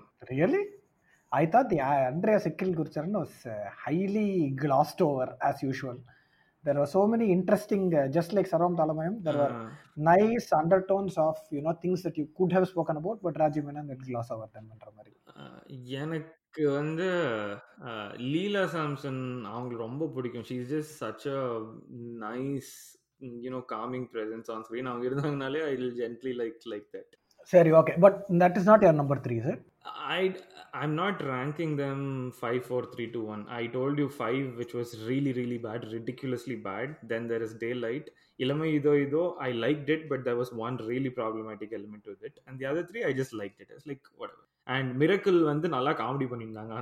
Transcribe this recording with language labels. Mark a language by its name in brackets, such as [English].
[English] Really? I thought the Andrea Sickle Goods was highly glossed over as usual. There were so many interesting, just like Saram Thalamayam, there were nice undertones of, you know, things that you could have spoken about, but Rajiv Menon had gloss over them. [Tamil] எனக்கு வந்து லீலா Samson அவங்களுக்கு ரொம்ப பிடிக்கும். [English] She is just such a nice, you know, calming presence on screen. [Tamil] அவங்க இருந்தாங்கனாலே [English] I will gently like that. [Tamil] சரி okay, [English] But that is not your number 3, sir. I am not ranking them 5, 4, 3, 2, 1. I told you 5, which was really, really bad, ridiculously bad. Then there is Daylight. Ilamai Idho Idho, I liked it, but there was one really problematic element with it. And the other three, I just liked it. I was like, whatever. And Miracle [Tamil] vandu nalla comedy panninaanga.